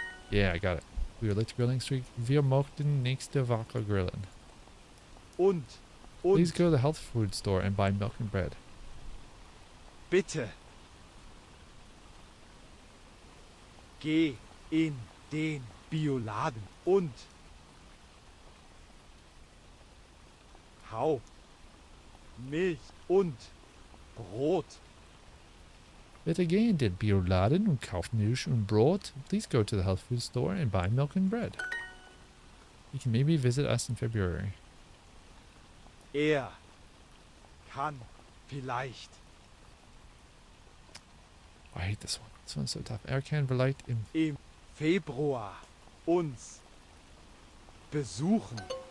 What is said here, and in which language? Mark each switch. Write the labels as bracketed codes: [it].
[en] Yeah, I got it. We would like to grill next week. [de] Wir mochten nächste Woche grillen. Und? [en] Please go to the health food store and buy milk and bread. [de] Bitte. Geh in den Bioladen und hau Milch und Brot. Bitte geh in den Bioladen und kauf Milch und Brot. [en] Please go to the health food store and buy milk and bread. You can maybe visit us in February. [de] Kann vielleicht. [en] I hate this one. This one's so tough. [de] Kann vielleicht im Februar uns besuchen.